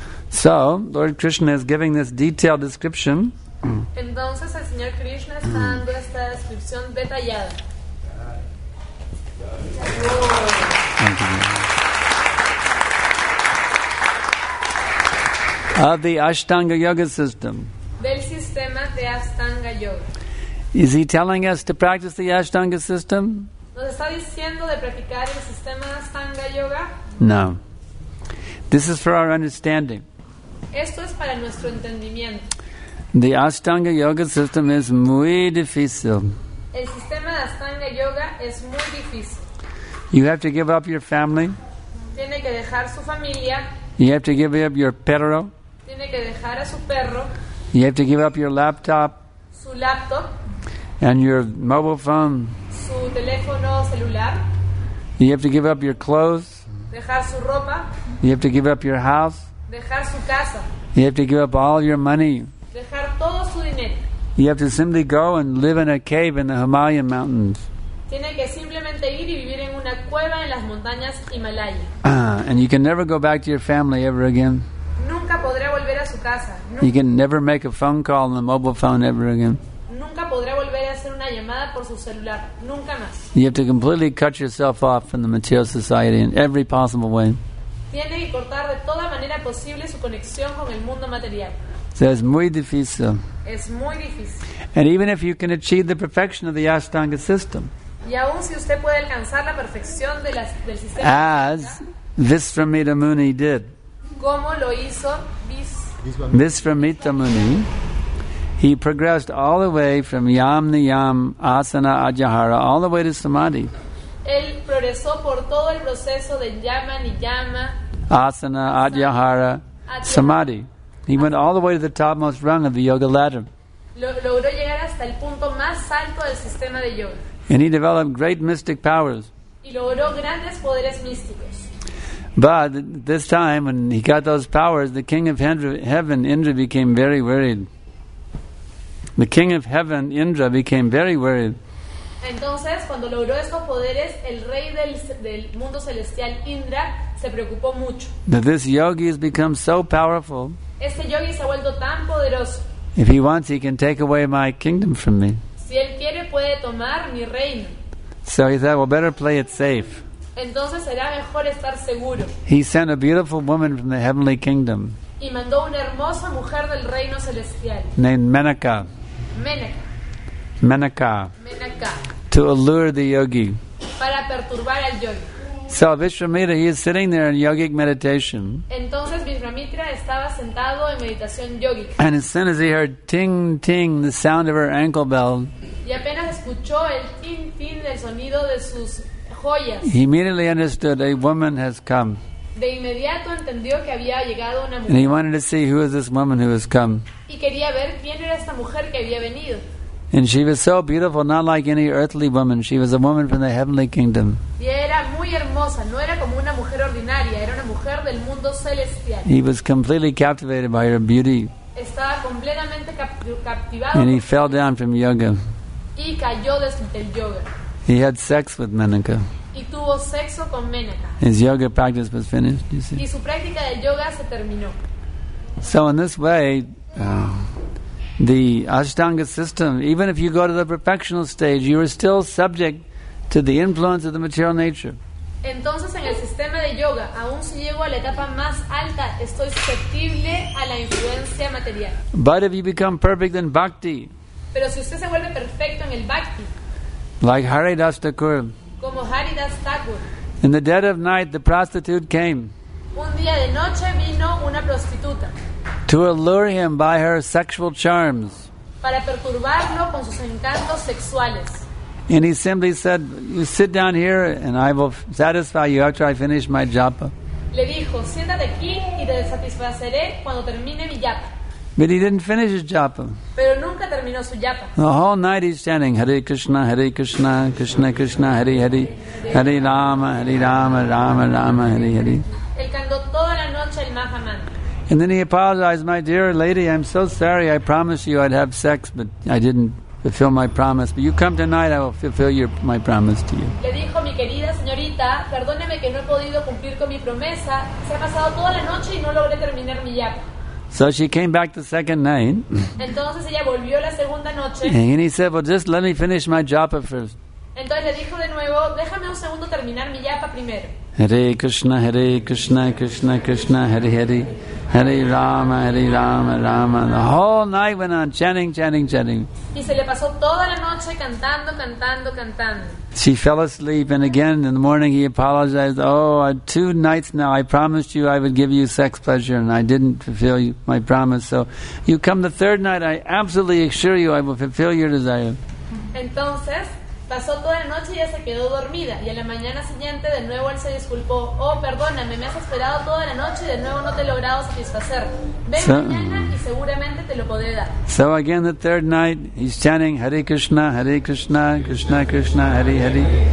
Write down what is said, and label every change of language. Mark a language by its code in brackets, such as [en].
[en] So, Lord Krishna is giving this detailed description. [es] Entonces, el Señor Krishna está dando esta descripción detallada. [en] Thank you. Of the Ashtanga Yoga system. [es] Del sistema de Ashtanga Yoga. [en] Is he telling us to practice the Ashtanga system? [es] ¿Nos está diciendo de practicar el sistema Ashtanga Yoga? [en] No. This is for our understanding. [es] Esto es para nuestro entendimiento. [en] The Ashtanga Yoga system is [es] muy difícil. El sistema de Ashtanga Yoga es muy difícil. [en] You have to give up your family. [es] Tiene que dejar su familia. [en] You have to give up your [es] perro. Tiene que dejar a su perro. [en] You have to give up your laptop. [es] Su laptop. [en] And your mobile phone. [es] Su teléfono celular. [en] You have to give up your clothes. [es] Dejar su ropa. [en] You have to give up your house. [es] Dejar su casa. [en] You have to give up all your money. [es] Dejar todo su dinero. [en] You have to simply go and live in a cave in the Himalaya mountains. [es] Tiene que simplemente ir y vivir en una cueva en las montañas Himalaya. [en] And you can never go back to your family ever again. [es] Nunca podrá volver a su casa. [en] You can never make a phone call on the mobile phone ever again. [es] Nunca podrá volver a hacer una llamada por su celular. Nunca más. [en] You have to completely cut yourself off from the material society in every possible way. [es] Tiene que cortar de toda manera posible su conexión con el mundo material. [en] So it's [es] muy difícil. Es muy difícil. [en] And even if you can achieve the perfection of the Ashtanga system, [es] y aun si usted puede alcanzar la perfección de la, del sistema, [en] as Visvamitra Muni did, [es] como lo hizo [en] Visvamitra Muni, he progressed all the way from Yam Niyam Asana Ajahara all the way to Samadhi. [es] Él progresó por todo el proceso de Yama Niyama Asana Ajahara Samadhi. [en] He went all the way to the topmost rung of the yoga ladder. [es] Logró llegar hasta el punto más alto del sistema de yoga. [en] And he developed great mystic powers. [es] Y logró grandes poderes místicos. [en] But this time, when he got those powers, the king of heaven, Indra, became very worried. The king of heaven, Indra, became very worried. [es] Entonces, cuando logró estos poderes, el rey del mundo celestial, Indra, se preocupó mucho. [en] That this yogi has become so powerful. [es] Este yogi se ha vuelto tan poderoso. [en] If he wants, he can take away my kingdom from me. [es] Si él quiere, puede tomar mi reino. [en] So he said, well, better play it safe. [es] Entonces será mejor estar seguro. [en] He sent a beautiful woman from the heavenly kingdom. [es] Y mandó una hermosa mujer del reino celestial. [en] Named Menaka. [es] Menaka. Menaka. Menaka. [en] To allure the yogi. [es] Para perturbar al yogi. [en] So Vishwamitra, he is sitting there in yogic meditation. [es] Entonces Vishwamitra estaba sentado en meditación yogic. [en] And as soon as he heard ting ting, the sound of her ankle bell, [es] y apenas escuchó el ting ting del sonido de sus joyas, [en] he immediately understood a woman has come. [es] De inmediato entendió que había llegado una mujer. [en] And he wanted to see who is this woman who has come. [es] Y quería ver quién era esta mujer que había venido. [en] And she was so beautiful, not like any earthly woman. She was a woman from the heavenly kingdom. [es] Y era muy hermosa, no era como una mujer ordinaria, era una mujer del mundo celestial. [en] He was completely captivated by her beauty. [es] Estaba completamente captivado. [en] And he fell down from yoga. [es] Y cayó desde el yoga. [en] He had sex with Menaka. [es] Y tuvo sexo con Menaka. [en] His yoga practice was finished, you see. [es] Y su práctica de yoga se terminó. [en] So in this way, the Ashtanga system, even if you go to the perfectional stage, you are still subject to the influence of the material nature. [es] Entonces, en el sistema de yoga, aun si llego a la etapa más alta, estoy susceptible a la influencia material. [en] But if you become perfect in bhakti, [es] pero si usted se vuelve perfecto en el bhakti, [en] like Haridas Thakur, [es] como Haridas Thakur, [en] in the dead of night, the prostitute came. [es] Un día de noche vino una prostituta. [en] To allure him by her sexual charms. [es] Para perturbarlo con sus encantos sexuales. [en] And he simply said, "You sit down here and I will satisfy you after I finish my japa." [es] Le dijo, "Siéntate aquí y te satisfaceré cuando termine mi japa." [en] But he didn't finish his japa. [es] Pero nunca terminó su japa. [en] The whole night he's chanting, [sa] Hare Krishna, Krishna Krishna, Hare Hare, Hare Rama, Hare Rama, Rama Rama, Hare Hare. [es] Él cantó toda la noche el Maha Mantra. [en] And then he apologized, "My dear lady, I'm so sorry. I promised you I'd have sex, but I didn't fulfill my promise. But you come tonight, I will fulfill my promise to you." [es] Le dijo, "Mi querida señorita, perdóneme que no he podido cumplir con mi promesa. Se ha pasado toda la noche y no logré terminar mi yapa." [en] So she came back the second night. [es] Entonces ella volvió la segunda noche. [en] And he said, "Well, just let me finish my japa first." [es] Entonces le dijo de nuevo, "Déjame un segundo terminar mi yapa primero." [sa] Hare Krishna, Krishna Krishna, Hare Hare, Hare Rama, Hare Rama, Rama. [en] The whole night went on chanting. [es] Y se le pasó toda la noche cantando. [en] She fell asleep, and again in the morning he apologized, two nights now I promised you I would give you sex pleasure and I didn't fulfill my promise. So you come the third night, I absolutely assure you I will fulfill your desire." [es] Entonces, pasó toda la noche y ya se quedó dormida. Y a la mañana siguiente, de nuevo él se disculpó. Oh, perdóname, me has esperado toda la noche y de nuevo no te he logrado satisfacer. Ven mañana y seguramente te lo podré dar. [en] So again the third night, he's chanting, [sa] Hare Krishna, Hare Krishna, Krishna Krishna, Hare Hare,